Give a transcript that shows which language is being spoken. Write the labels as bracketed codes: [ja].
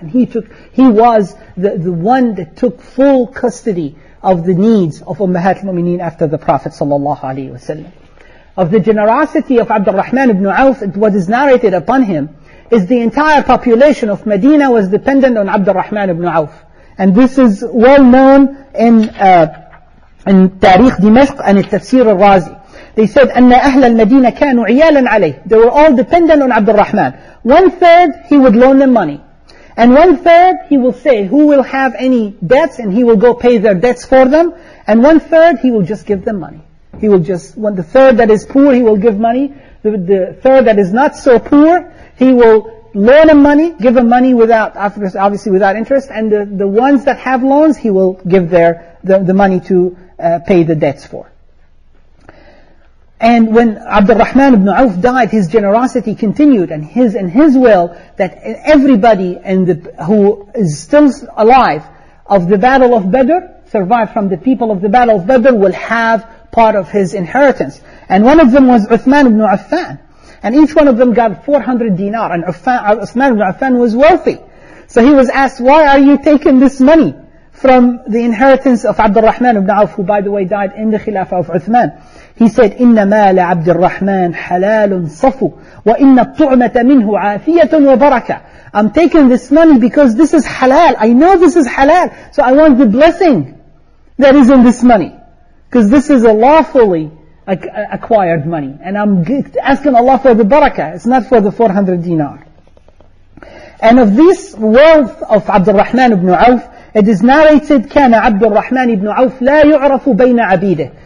[en] And he was the one that took full custody of the needs of Ummahat al-Mu'mineen after the Prophet sallallahu alaihi wasallam. Of the generosity of Abdul Rahman ibn Auf, what is narrated upon him is the entire population of Medina was dependent on Abdul Rahman ibn Auf. And this is well known in Tariq Dimashq and in Tafsir al-Razi. [ar] They said, أَنَّ أَهْلَ الْمَدِينَةِ كَانُوا عِيَالًا عَلَيْهِ. [en] They were all dependent on Abdul Rahman. One third, he would loan them money. And one third, he will say, who will have any debts, and he will go pay their debts for them. And one third, he will just give them money. He will just, when the third that is poor, he will give money. The third that is not so poor, he will loan him money, give him money without, obviously without interest, and the ones that have loans, he will give the money to pay the debts for. And when Abdul Rahman ibn Auf died, his generosity continued, and his will that everybody who is still alive of the Battle of Badr, survived from the people of the Battle of Badr, will have part of his inheritance. And one of them was Uthman ibn Affan. And each one of them got 400 dinar. And Uthman ibn Affan was wealthy. So he was asked, why are you taking this money from the inheritance of Abdul Rahman ibn Auf, who by the way died in the Khilafah of Uthman? [ar] He said, إِنَّ مَالَ عَبْدِ الرَّحْمَنِ حَلَالٌ صَفُ وَإِنَّ الطُّعْمَةَ مِنْهُ عَافِيَةٌ وَبَرَكَةٌ. [en] I'm taking this money because this is halal. I know this is halal. So I want the blessing that is in this money. Because this is a lawfully acquired money. And I'm asking Allah for the barakah. It's not for the 400 dinar. [ar] And of this wealth of Abdul Rahman ibn Auf, it is narrated, كان Abdul Rahman ibn Auf لا يعرف بين عبيده.